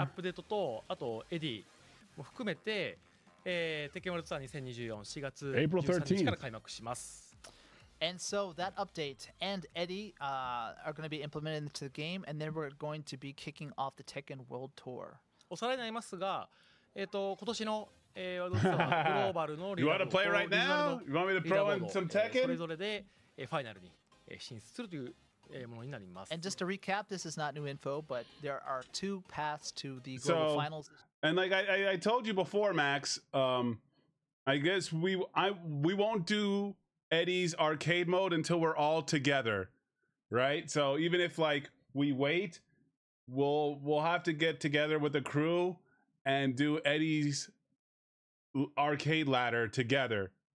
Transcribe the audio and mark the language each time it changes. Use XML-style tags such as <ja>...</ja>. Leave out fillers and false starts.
<ja>アップデートと、あとエディも含めて、テケモルツアー2024 4月13日から開幕します。</ja> <en>And so that update and Eddy are going to be implemented into the game, and then we're going to be kicking off the Tekken World Tour.</en> <ja>おさらいになりますが、今年のワールドツアーグローバルのリーダーボード、</ja> <en>You want to play right now? You want me to pro in some Tekken?</en> <ja>それぞれでファイナルに進出するというものになります。</ja> <en>And just to recap, this is not new info, but there are two paths to the global finals. And like I told you before, Max, I guess we won't do... Eddy's arcade mode until we're all together, right? So even if like we wait, we'll have to get together with the crew and do Eddy's arcade ladder together.</en>